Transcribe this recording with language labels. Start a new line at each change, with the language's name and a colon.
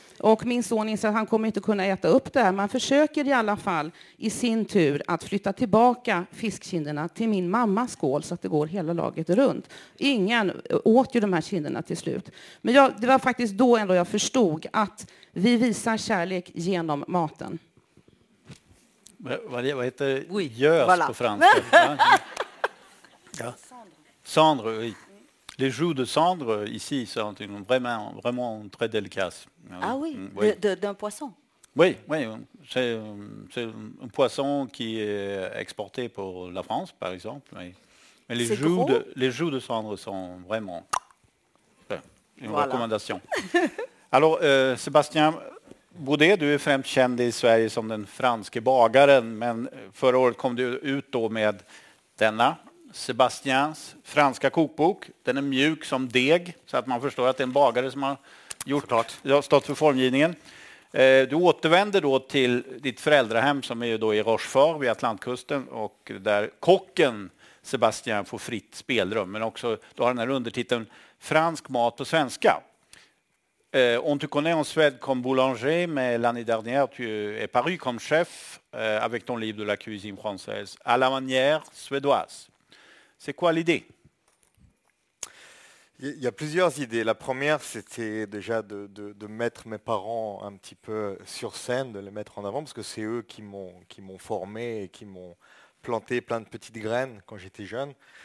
Swedish: Och min son inser att han kommer inte kunna äta upp det här. Man försöker i alla fall i sin tur att flytta tillbaka fiskkinderna till min mammas skål så att det går hela laget runt. Ingen åt ju de här kinderna till slut. Men det var faktiskt då ändå jag förstod att vi visar kärlek genom maten. Vad heter gös på franska?
French: Ja. Cendre, oui. Les joues de cendre, ici, sont vraiment, vraiment très délicates. Ah oui, oui. D'un poisson. Oui, oui, c'est un poisson qui est exporté pour la France, par exemple. Oui. Mais les joues de cendre sont vraiment recommandation.
Swedish: Alors, Sébastien Baudet, du är främst känd i Sverige som den franske bagaren, men förra året kom du ut då med denna. Sebastians franska kokbok. Den är mjuk som deg, så att man förstår att det är en bagare som har gjort klart. Jag har stått för formgivningen. Du återvänder då till ditt föräldrahem som är ju då i Rochefort vid Atlantkusten, och där kocken Sebastian får fritt spelrum, men också då har den här undertiteln fransk mat på svenska.
French: On te connaît en Suède comme boulanger, mais l'année dernière tu es paru comme chef avec ton livre de la cuisine française à la manière suédoise. C'est quoi l'idée ? Il y a plusieurs idées. La première, c'était déjà de mettre mes parents un petit peu sur scène, de les mettre en avant, parce que c'est eux qui m'ont formé et qui m'ont planté plein de petites graines quand j'étais jeune.